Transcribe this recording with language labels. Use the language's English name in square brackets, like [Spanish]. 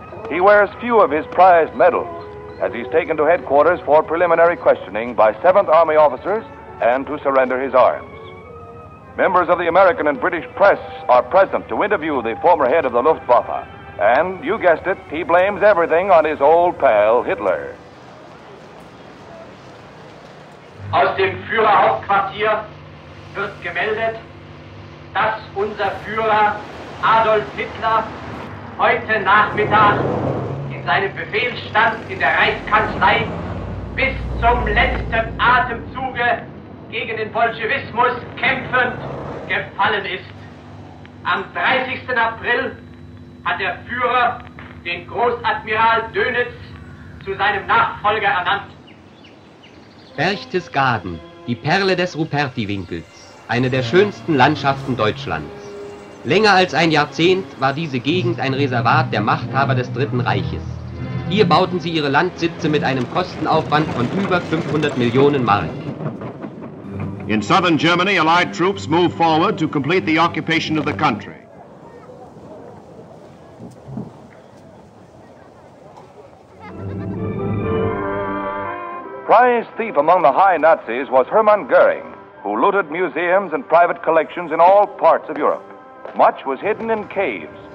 [English] He wears few of his prized medals as he's taken to headquarters for preliminary questioning by 7th Army officers and to surrender his arms. Members of the American and British press are present to interview the former head of the Luftwaffe, and, you guessed it, he blames everything on his old pal, Hitler. [German] Aus dem Führerhauptquartier wird gemeldet, dass unser Führer Adolf Hitler heute Nachmittag in seinem Befehlsstand in der Reichskanzlei bis zum letzten Atemzuge gegen den Bolschewismus kämpfend gefallen ist. Am 30. April hat der Führer den Großadmiral Dönitz zu seinem Nachfolger ernannt. Berchtesgaden, die Perle des Ruperti-Winkels, eine der schönsten Landschaften Deutschlands. Länger als ein Jahrzehnt war diese Gegend ein Reservat der Machthaber des Dritten Reiches. Hier bauten sie ihre Landsitze mit einem Kostenaufwand von über 500 Millionen Mark. [English] In southern Germany, Allied troops move forward to complete the occupation of the country. Prize thief among the high Nazis was Hermann Göring, who looted museums and private collections in all parts of Europe. Much was hidden in caves,